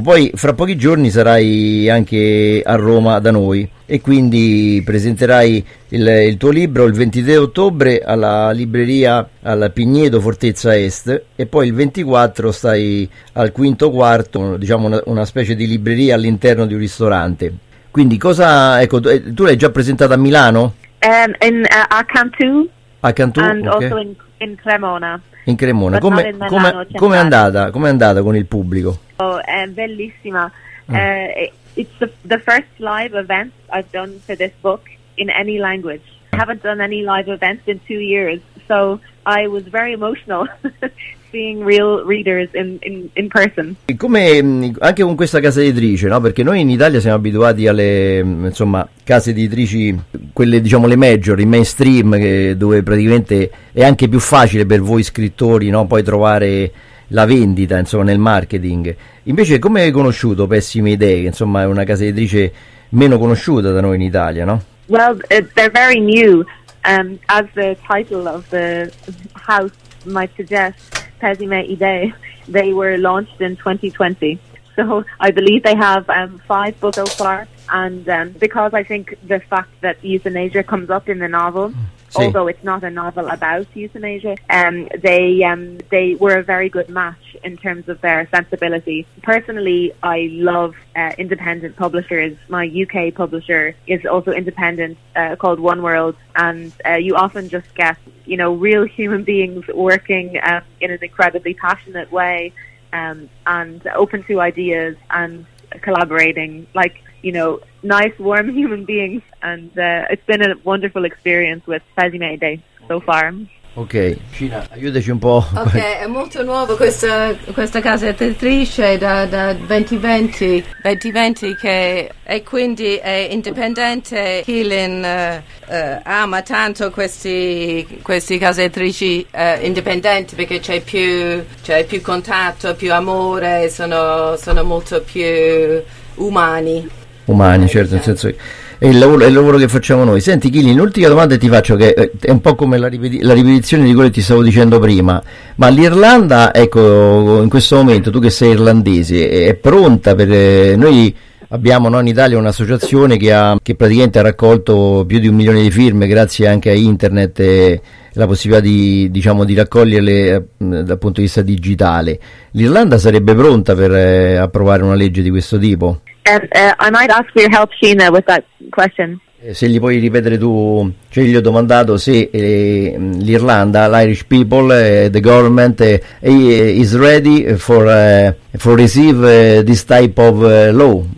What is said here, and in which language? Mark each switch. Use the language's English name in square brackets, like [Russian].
[Italian] Poi fra pochi giorni sarai anche a Roma da noi e quindi presenterai il tuo libro il 23 ottobre alla libreria al Pigneto Fortezza Est, e poi il 24 stai al Quinto Quarto, diciamo una specie di libreria all'interno di un ristorante. Quindi cosa, ecco, tu l'hai già presentato a Milano? A Cantù A Cantù, [English] and also ok. in Cremona, [Italian] In Cremona, [English] but not in Milano centrale. [Italian] com'è andata con il pubblico? Oh, è bellissima. [English] It's the first live event I've done for this book in any language. I haven't done any live events in 2 years, so I was very emotional seeing real readers in person. [Italian] Come anche con questa casa editrice, no? Perché noi in Italia siamo abituati alle, insomma, case editrici, quelle, diciamo, le major, i mainstream, che, dove praticamente è anche più facile per voi scrittori, no? Poi trovare la vendita, insomma, nel marketing. Invece, come hai conosciuto Pessime Idee, che, insomma, è una casa editrice meno conosciuta da noi in Italia, no? [English] Well, they're very new. As the title of the house might suggest, Pessime Idee, they were launched in 2020. So I believe they have 5 books so far. And because I think the fact that euthanasia comes up in the novel, [Italian] Sì. [English] although it's not a novel about euthanasia, they were a very good match in terms of their sensibility. Personally, I love independent publishers. My UK publisher is also independent, called One World, and you often just get, you know, real human beings working in an incredibly passionate way, and open to ideas and collaborating, like, you know, nice, warm human beings, and it's been a wonderful experience with Pessime Idee so Okay. far. [Italian] Ok, Cina, aiutaci un po'. Ok, è molto nuovo questa casa editrice da 2020. 2020 che è quindi è indipendente. Keelin ama tanto questi case editrici indipendenti perché c'è più contatto, più amore, sono molto più umani. Umani, certo, nel senso che... È il lavoro che facciamo noi. Senti, Chili, l'ultima domanda che ti faccio, che è un po' come la ripetizione di quello che ti stavo dicendo prima, ma l'Irlanda, ecco, in questo momento, tu che sei irlandese, è pronta per... Noi abbiamo, no, in Italia un'associazione che praticamente ha raccolto più di 1 milione di firme grazie anche a internet e la possibilità di, diciamo, di raccoglierle dal punto di vista digitale. L'Irlanda sarebbe pronta per approvare una legge di questo tipo? [English] I might ask for your help, Sheena, with that question. [Italian] Se gli puoi ripetere tu, cioè gli ho domandato se l'Irlanda, l' [English] Irish people, the government is ready for receive this type of law.